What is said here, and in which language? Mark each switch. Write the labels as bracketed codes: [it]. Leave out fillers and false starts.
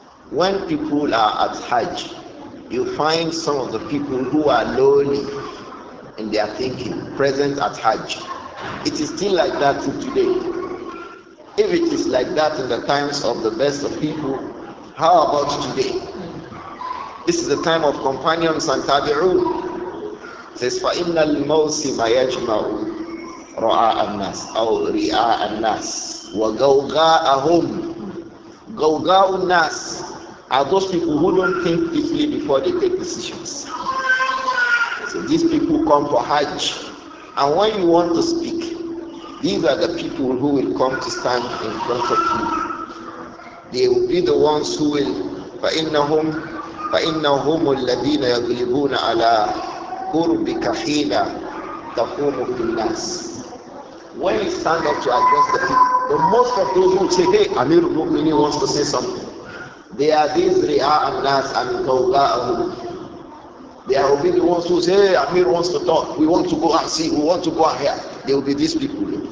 [en] When people are at Hajj, you find some of the people who are lowly in their thinking, present at Hajj. It is still like that till today. If it is like that in the times of the best of people, how about today? This is the time of companions and tabi'un. It says, [ar] فَإِنَّ الْمَوْسِمَ يَجْمَعُ رُعَاءَ النَّاسِ أَوْ رِعَاءَ النَّاسِ وَغَوْغَاءَهُمْ. غَوْغَاءُ النَّاسِ [en] are those people who don't think deeply before they take decisions. So these people come for Hajj. And when you want to speak, these are the people who will come to stand in front of you. They will be the ones who will, [ar] فَإِنَّهُمُ الَّذِينَ يَغْلِبُونَ عَلَىٰ قُرْبِكَ حِينَ تَقُومُ فِي النَّاسِ. [en] When you stand up to address the people, the most of those who say, hey, Amir al-Mu'minin wants to say something, they are these ri'a' al-nas and tawla'ahum. They will be the ones who say, hey, Amir wants to talk, we want to go and see, we want to go and hear. They will be these people.